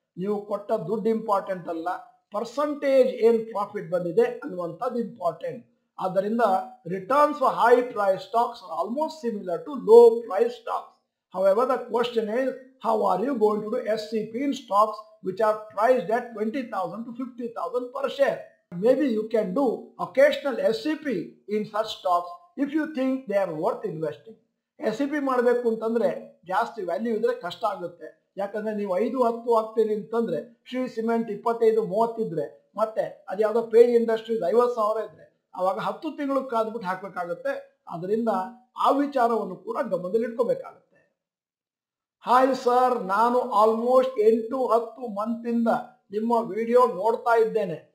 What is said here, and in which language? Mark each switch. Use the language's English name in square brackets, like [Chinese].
[Kannada] ನೀವು ಕೊಟ್ಟ ದುಡ್ಡು ಇಂಪಾರ್ಟೆಂಟ್ ಅಲ್ಲ, ಪರ್ಸಂಟೇಜ್ ಏನು ಪ್ರಾಫಿಟ್ ಬಂದಿದೆ ಅನ್ನುವಂಥದ್ದು ಇಂಪಾರ್ಟೆಂಟ್. ಆದ್ದರಿಂದ [English] Returns for high price stocks are almost similar to low price stocks. However the question is, how are you going to do SCP in stocks which are priced at 20,000 to 50,000 per share. Maybe you can do occasional SCP in such stocks if you think they are worth investing. [Kannada] SCP ಮಾಡಬೇಕು ಅಂತಂದ್ರೆ ಜಾಸ್ತಿ value ಇದ್ರೆ ಕಷ್ಟ ಆಗುತ್ತೆ. ಯಾಕಂದ್ರೆ ನೀವು 5-10 ಹಾಕ್ತೀರಿ ಅಂತಂದ್ರೆ ಶ್ರೀ ಸಿಮೆಂಟ್ 25-30 ಇದ್ರೆ, ಮತ್ತೆ ಅದು ಯಾವುದೋ ಪೇಜ್ ಇಂಡಸ್ಟ್ರೀಸ್ 50,000 ಇದ್ರೆ ಅವಾಗ 10 ತಿಂಗಳು ಕಾದ್ಬಿಟ್ಟು ಹಾಕಬೇಕಾಗುತ್ತೆ. ಆದ್ರಿಂದ ಆ ವಿಚಾರವನ್ನು ಕೂಡ ಗಮನದಲ್ಲಿಟ್ಕೋಬೇಕಾಗುತ್ತೆ. ಹಾಯ್ ಸರ್, ನಾನು ಆಲ್ಮೋಸ್ಟ್ 8-10 ಮಂತ್ ಇಂದ ನಿಮ್ಮ ವಿಡಿಯೋ ನೋಡ್ತಾ ಇದ್ದೇನೆ.